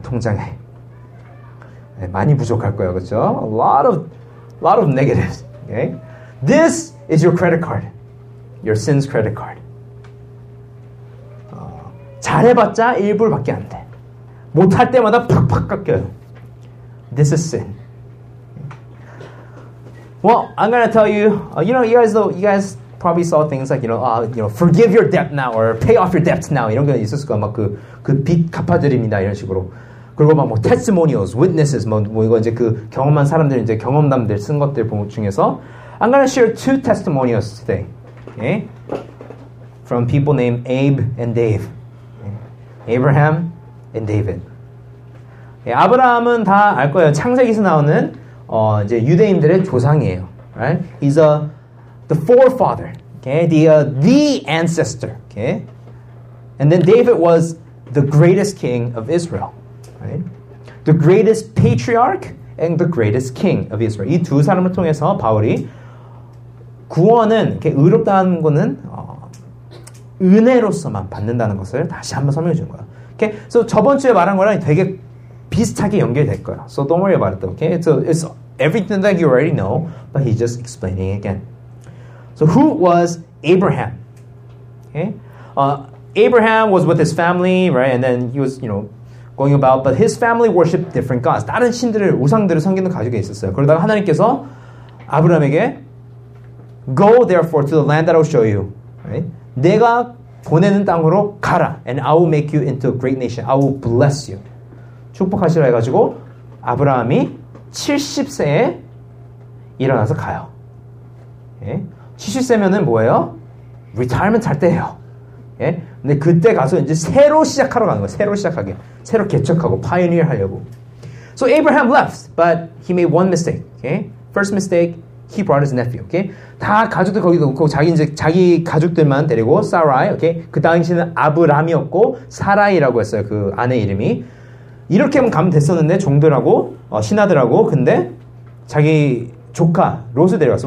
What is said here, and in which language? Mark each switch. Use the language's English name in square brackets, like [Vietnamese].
[Korean] 통장에. 네, 많이 부족할 거예요. 그쵸? [English] A lot of negatives. Okay? This is your credit card. Your sin's credit card. [Korean] 잘해봤자 1불밖에 안 돼. 못할 때마다 팍팍 깎여요. [English] This is sin. Well, I'm gonna tell you, you guys probably saw things like, forgive your debt now or pay off your debts now. [Korean] 이런 게 있었을 거야. 막 그 빚 갚아드립니다. 이런 식으로. 그리고 막 뭐 testimonials, witnesses, 뭐 이거 이제 그 경험한 사람들, 이제 경험담들 쓴 것들 중에서. [English] I'm gonna share two testimonials today. Okay? From people named Abe and Dave. Abraham and David. [Korean] 예, 아브라함은 다 알 거예요. 창세기에서 나오는 이제 유대인들의 조상이에요. [English] Right? He's the forefather. Okay? The ancestor. Okay? And then David was the greatest king of Israel. Right? The greatest patriarch and the greatest king of Israel. [Korean] 이 두 사람을 통해서 바울이 구원은 이렇게 의롭다는 거는 은혜로서만 받는다는 것을 다시 한번 설명해 준 거야. [English] Okay? [Korean] So 저번 주에 말한 거랑 되게 비슷하게 연결될 거야. [English] So don't worry about it. Okay? So it's everything that you already know, but he's just explaining again. So who was Abraham? Okay? Abraham was with his family, right? And then he was, going about, but his family worshiped different gods. [Korean] 다른 신들을 우상들을 섬기는 가족이 있었어요. 그러다가 하나님께서 아브라함에게 [English] go therefore to the land that I will show you. Right? [Korean] 내가 보내는 땅으로 가라. [English] And I will make you into a great nation. I will bless you. [Korean] 축복하시라 해가지고 아브라함이 70세에 일어나서 가요. 예? 70세면은 뭐예요? Retirement 할 때예요. 예? 근데 그때 가서 이제 새로 시작하러 가는 거예요. 새로 시작하게. 새로 개척하고 파이어니어 하려고. [English] So Abraham left, but he made one mistake. Okay? First mistake. He brought his nephew. Okay? [Korean] 다 가족들 거기 놓고 자기 가족들만 데리고 사라이. Okay? 그 당시는 아브람이었고 사라이라고 했어요. 그 아내 이름이. 이렇게만 가면 됐었는데 종들하고 신하들하고 근데 자기 조카 롯을 데려갔어.